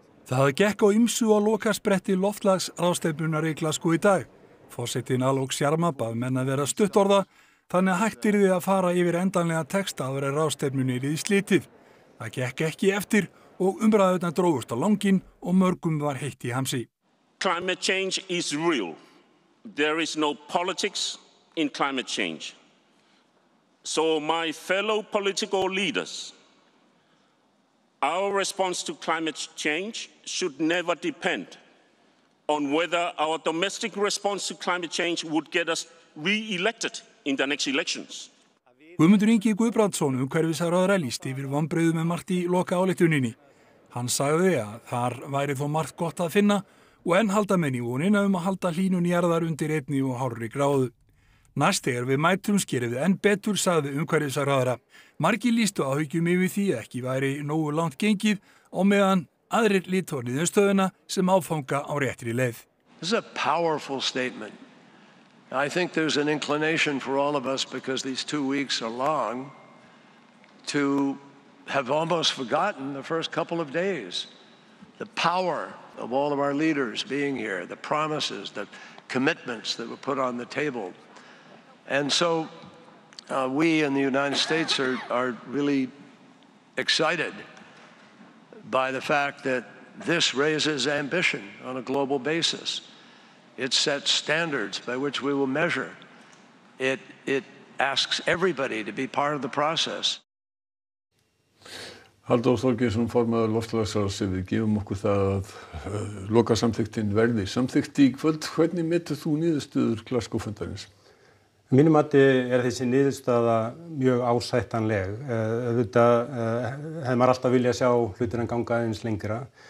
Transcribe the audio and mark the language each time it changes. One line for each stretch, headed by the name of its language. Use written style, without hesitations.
Icelandic: Það gekk á ýmsu á lokaspretti loftslagsráðstefnunar í Glasgow í dag. Forsetinn Alok Sharma bað menn að vera stuttorða þannig að hægt yrði að fara yfir endanlega texta áður en ráðstefnunni yrði slitið. Það gekk ekki eftir og umræðurnar drógust á langinn og mörgum var heitt í hamsi.
English: Climate change is real. There is no politics in climate change. So my fellow political leaders, our response to climate change should never depend on whether our domestic response to climate change would get us re-elected in the next elections.
Icelandic: Guðmundur Ingi Guðbrandsson umhverfisráðherra lýsti yfir vonbrigðum með margt í loka ályktuninni. Hann sagði að þar væri þó margt gott að finna og enn halda menn í vonina að halda hlýnun jarðar undir 1,5 gráðu. Næst þegar við mætum skerið enn betur, sagði umhverfisráðherra. Margir lýstu áhyggjum yfir því að ekki væri nógu langt gengið og meðan aðrir lítu á niðurstöðuna sem áfanga á réttri leið.
English: This is a powerful statement. I think there's an inclination for all of us because these two weeks are long to have almost forgotten the first couple of days, the power of all of our leaders being here, the promises, the commitments that were put on the table. And so we in the United States are really excited by the fact that this raises ambition on a global basis. It sets standards by which we will measure. It asks everybody to be part of the process.
Icelandic: Halldór Þorgeirsson formaður loftslagsráðs við gefum okkur það að lokasamþykktin verði samþykkt í kvöld. Hvernig metur þú niðurstöður Glasgow-fundarins? Mínu mati er þessi niðurstaða mjög ásættanleg. Auðvitað hefði maður alltaf vilja sjá hlutir en ganga aðeins lengra.